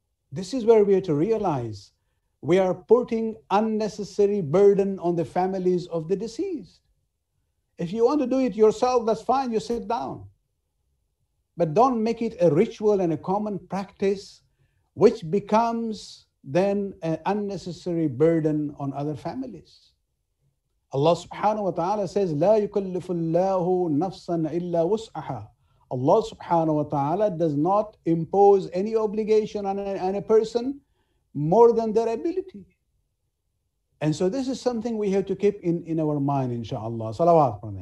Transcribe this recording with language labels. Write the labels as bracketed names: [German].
[English] This is where we have to realize we are putting unnecessary burden on the families of the deceased. If you want to do it yourself, that's fine, you sit down. But don't make it a ritual and a common practice, which becomes then an unnecessary burden on other families. Allah subhanahu wa ta'ala says, [Arabic] لا يكلف الله نفسا إلا وسعها. [English] Allah subhanahu wa ta'ala does not impose any obligation on a person more than their ability. And so this is something we have to keep in our mind, inshallah. Salawat.